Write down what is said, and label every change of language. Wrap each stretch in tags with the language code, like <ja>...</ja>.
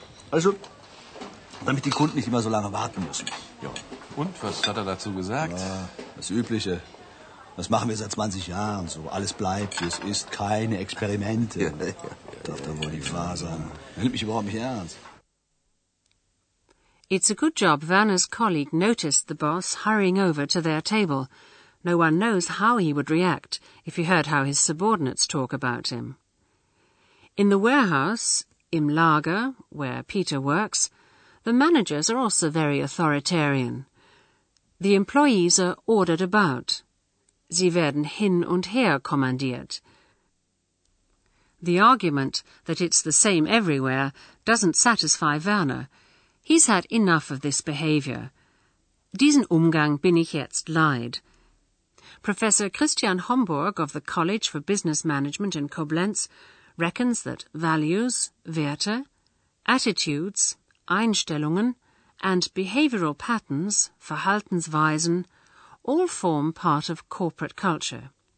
<de>Also, damit die Kunden nicht immer so lange warten müssen. Ja, und was hat er dazu gesagt? Ja, das Übliche. Das machen wir seit 20 Jahren so. Alles bleibt, wie es ist. Keine Experimente. Darf da wohl die Fasern. Er nimmt mich überhaupt nicht ernst.</de> <en>It's a good job Werner's colleague noticed the boss hurrying over to their table. No one knows how he would react if he heard how his subordinates talk about him. In the warehouse,</en> <de>im Lager,</de> <en>where Peter works, the managers are also very authoritarian. The employees are ordered about.</en> <de>Sie werden hin und her kommandiert.</de> <en>The argument that it's the same everywhere doesn't satisfy Werner. He's had enough of this behavior.</en> <de>Diesen Umgang bin ich jetzt leid.</de> <en>Professor Christian Homburg of the College for Business Management in Koblenz reckons that values, Werte, attitudes, Einstellungen and behavioral patterns, Verhaltensweisen, all form part of corporate culture.</en>